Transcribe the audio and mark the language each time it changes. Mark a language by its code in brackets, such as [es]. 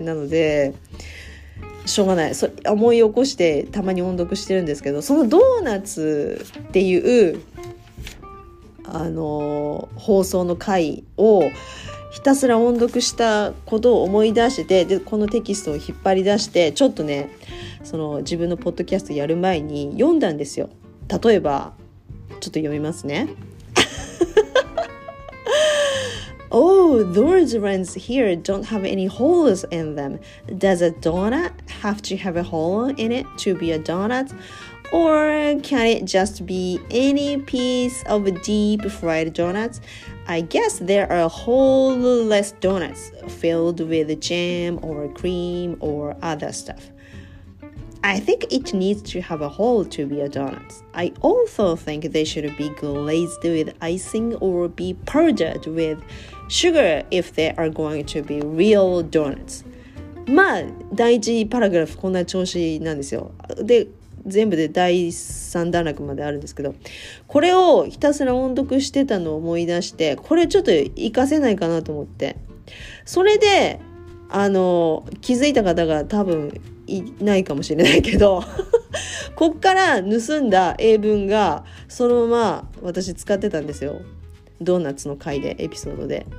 [ja] なのでしょうがない、それ思い起こしてたまに音読してるんですけど、そのドーナツっていう放送の回をひたすら音読したことを思い出してて、でこのテキストを引っ張り出してちょっとね、その自分のポッドキャストやる前に読んだんですよ。例えばちょっと読みますね。 [en] Oh, those rings here don't have any holes in them. Does a donut have to have a hole in it to be a donut? Or can it just be any piece of deep fried donut? I guess there are holeless donuts filled with jam or cream or other stuff. I think it needs to have a hole to be a donut. I also think they should be glazed with icing or be powdered with sugar if they are going to be real donuts. [ja] まあ、第一パラグラフこんな調子なんですよ。で、全部で第三段落まであるんですけど、これをひたすら音読してたのを思い出して、これちょっと活かせないかなと思って。それで、気づいた方が多分、いないかもしれないけど、こっから盗んだ英文がそのまま私使ってたんですよ、ドーナツの回でエピソードで。